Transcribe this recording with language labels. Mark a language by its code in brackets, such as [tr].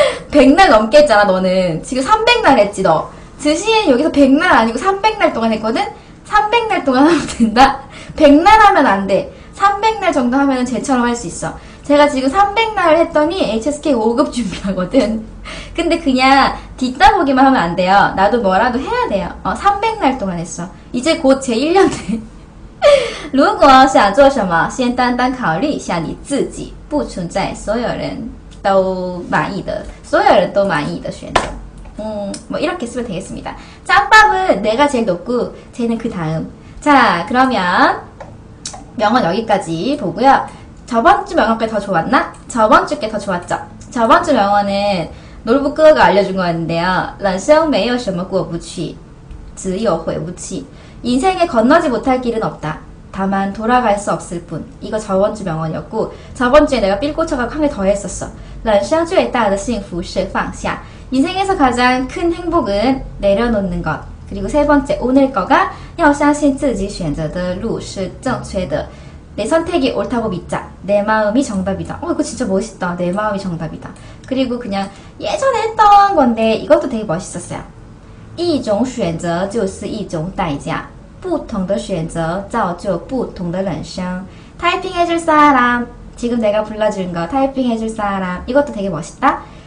[ko] 백날 넘게 했잖아, 너는. 지금 300날 했지, 너. 드시엔 여기서 100날 아니고 300날 동안 했거든? 300날 동안 하면 된다? 100날 하면 안 돼. 300날 정도 하면 쟤처럼 할 수 있어. 제가 지금 300날 했더니 HSK 5급 준비하거든. 근데 그냥 뒷다보기만 하면 안 돼요. 나도 뭐라도 해야 돼요. 300날 동안 했어. 이제 곧 제 1년 돼. [zh] 如果想做什么先单单考虑一下你自己不存在所有人都满意的所有人都满意的选择. [ko] 뭐 이렇게 쓰면 되겠습니다. 짬밥은 내가 제일 높고 쟤는 그 다음. 자, 그러면 명언 여기까지 보고요. 저번 주 명언 게 더 좋았나? 저번 주 게 더 좋았죠. 저번 주 명언은 노르부크가 알려준 거였는데요. [zh] 人生没有什么过不去只有回不去. [ko] 인생에 건너지 못할 길은 없다. 다만 돌아갈 수 없을 뿐. 이거 저번 주 명언이었고, 저번 주에 내가 삘꼬쳐가 한 개 더 했었어. [zh] 人生最大的幸福是放下. [ko] 인생에서 가장 큰 행복은 내려놓는 것. 그리고 세 번째, 오늘 거가 [zh] 要相信自己选择的路是正确的. [ko] 내 선택이 옳다고 믿자. 내 마음이 정답이다. 이거 진짜 멋있다. 내 마음이 정답이다. 그리고 그냥 예전에 했던 건데 이것도 되게 멋있었어요. [zh] 一种选择就是一种代价不同的选择造就不同的人生. [ko] 타이핑 해줄 사람, 지금 내가 불러준 거 타이핑 해줄 사람, 이것도 되게 멋있다.